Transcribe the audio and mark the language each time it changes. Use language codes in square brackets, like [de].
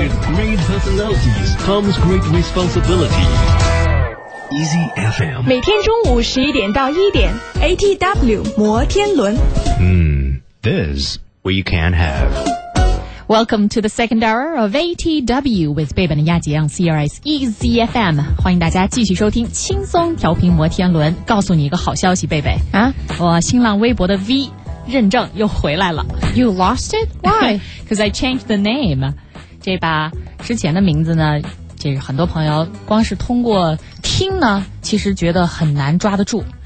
[en] with great personalities comes great responsibility easy FM [zh] 每天中午十一点到一点 ATW 摩天轮 [en] this we can have Welcome to the second hour of ATW with Babe and Yajie on CRI's EZFM. [zh] 欢迎大家继续收听轻松调频摩天轮。告诉你一个好消息，贝贝啊，我新浪微博的 V 认证又回来了。 [en] You lost it? Why? Because I changed the name. [zh] 这把之前的名字呢，这个很多朋友光是通过听呢，其实觉得很难抓得住。